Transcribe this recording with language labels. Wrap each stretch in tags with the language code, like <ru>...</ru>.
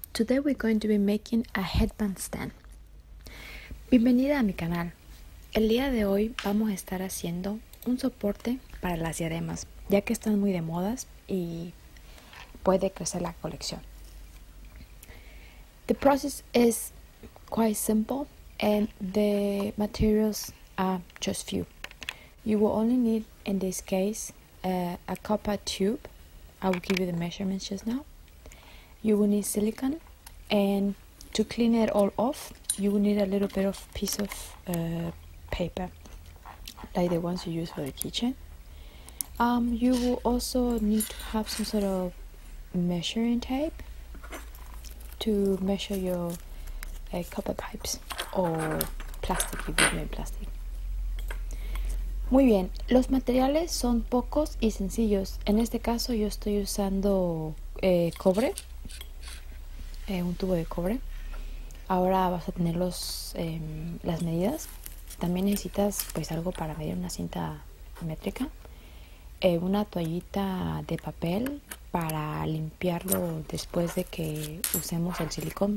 <en>Today we're going to be making a headband stand.</en> <es>Bienvenida a mi canal. El día de hoy vamos a estar haciendo un soporte para las diademas, ya que están muy de modas y puede crecer la colección.</es> <en>The process is quite simple and the materials are just few. You will only need, in this case, a copper tube. I will give you the measurements just now. You will need silicon, and to clean it all off, you will need a little bit of piece of paper, like the ones you use for the kitchen. You will also need to have some sort of measuring tape to measure your copper pipes, or plastic, if you need plastic.</en> <es>Muy bien, los materiales son pocos y sencillos. En este caso yo estoy usando cobre. Un tubo de cobre. Ahora vas a tener las medidas. También necesitas pues algo para medir, una cinta métrica, una toallita de papel para limpiarlo después de que usemos el silicón.</es>